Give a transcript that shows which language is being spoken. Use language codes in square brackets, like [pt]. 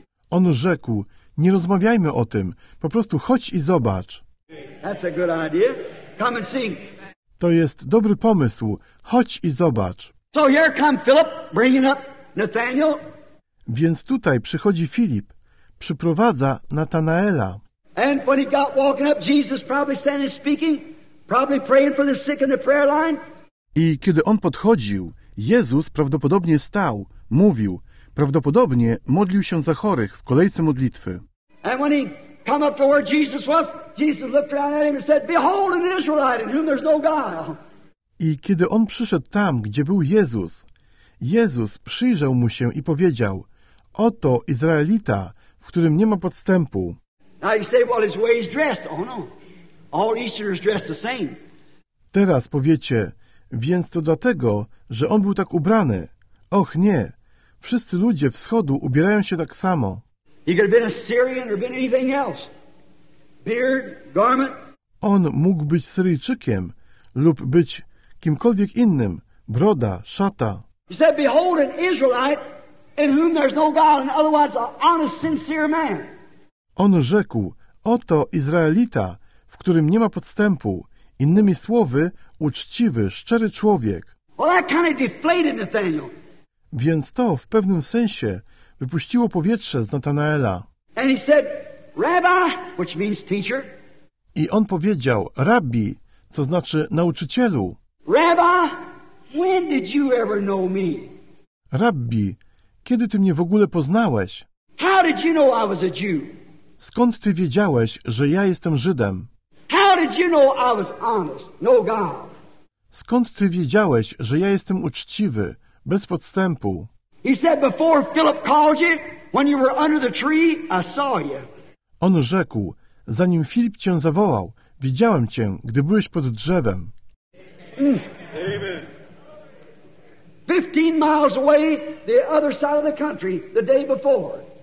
[pl] On rzekł, nie rozmawiajmy o tym, po prostu chodź i zobacz. [en] That's a good idea. Come and see. [pl] To jest dobry pomysł, chodź i zobacz. [en] So here come Philip, bringing up Nathaniel. [pl] Więc tutaj przychodzi Filip, przyprowadza Natanaela. [en] And when he got walking up, Jesus probably standing speaking. Probably praying for the sick in the prayer line. [pl] I kiedy on podchodził, Jezus prawdopodobnie stał, mówił, prawdopodobnie modlił się za chorych w kolejce modlitwy. [en] And when he come up to where Jesus was, Jesus looked around at him and said, "Behold an Israelite in whom there's no guile." [pl] I kiedy on przyszedł tam, gdzie był Jezus, Jezus przyjrzał mu się i powiedział: "Oto Izraelita, w którym nie ma podstępu." [en] Now you say, "Well, his way is dressed." Oh no. All Easterners dress the same. [pl] Teraz powiecie, więc to dlatego, że on był tak ubrany. Och nie, wszyscy ludzie wschodu ubierają się tak samo. [en] He could have been a Syrian or been anything else. Beard, garment. [pl] On mógł być Syryjczykiem lub być kimkolwiek innym. Broda, szata. [en] He said, "Behold an Israelite in whom there's no God and otherwise an honest, sincere man." [pl] On rzekł, oto Izraelita, w którym nie ma podstępu. Innymi słowy, uczciwy, szczery człowiek. [en] Well, that kind of deflated Nathaniel. [pl] Więc to w pewnym sensie wypuściło powietrze z Natanaela. [en] And he said, "Rabbi," which means teacher. [pl] I on powiedział, rabbi, co znaczy nauczycielu. [en] Rabbi, when did you ever know me? [pl] Rabbi, kiedy ty mnie w ogóle poznałeś? [en] How did you know I was a Jew? [pl] Skąd ty wiedziałeś, że ja jestem Żydem? [en] How did you know I was honest? No God. [pl] Skąd ty wiedziałeś, że ja jestem uczciwy, bez podstępu? [en] He said, "Before Philip called you, when you were under the tree, I saw you." [pl] On rzekł, zanim Filip cię zawołał, widziałem cię, gdy byłeś pod drzewem. [en] Amen. 15 miles away, the other side of the country, the day before.